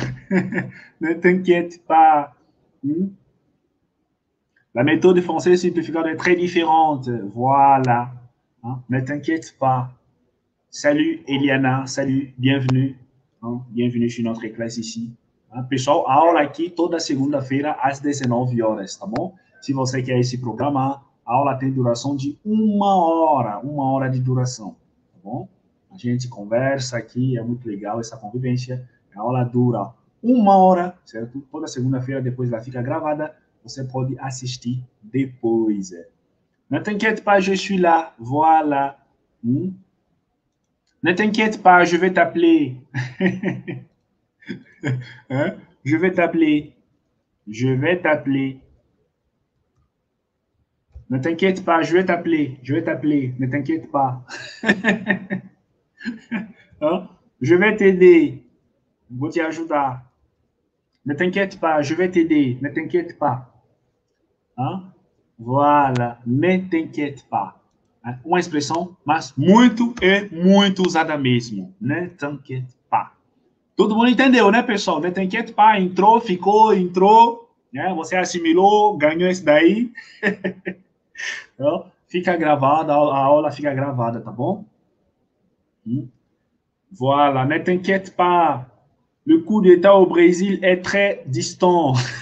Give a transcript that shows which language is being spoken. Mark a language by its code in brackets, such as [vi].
[fr] Ne t'inquiète pas. La méthode française simplificante est très différente. Voilà. Hein? Ne t'inquiète pas. Salut Eliana, salut, bienvenue. Bienvenue chez notre classe ici. [pt] Pessoal, aula aqui toda segunda-feira às 19 horas, tá bom? Se você quer esse programa, a aula tem duração de uma hora de duração, tá bom? A gente conversa aqui, é muito legal essa convivência. A aula dura uma hora, certo? Toda segunda-feira, depois ela fica gravada, você pode assistir depois. [fr] Ne t'inquiète pas, je suis là, voilà. Ne t'inquiète pas, je vais t'appeler. Hein? Je vais t'appeler. Je vais t'appeler. Ne t'inquiète pas, je vais t'appeler. Je vais t'appeler. Ne t'inquiète pas. Hein? Je vais t'aider. Je vais t'aider. Ne t'inquiète pas, je vais t'aider. Ne t'inquiète pas. Hein? Voilà. Ne t'inquiète pas. [pt] Uma expressão, mas muito e muito usada mesmo. [fr] Ne t'inquiète pas. [pt] Todo mundo entendeu, né, pessoal? Ne t'inquiète pas. Entrou, ficou, entrou. Né? Você assimilou, ganhou esse daí. Então, fica gravada, a aula fica gravada, tá bom? [fr] Voilà. Ne t'inquiète pas. Le coup d'État au Brésil est très distant.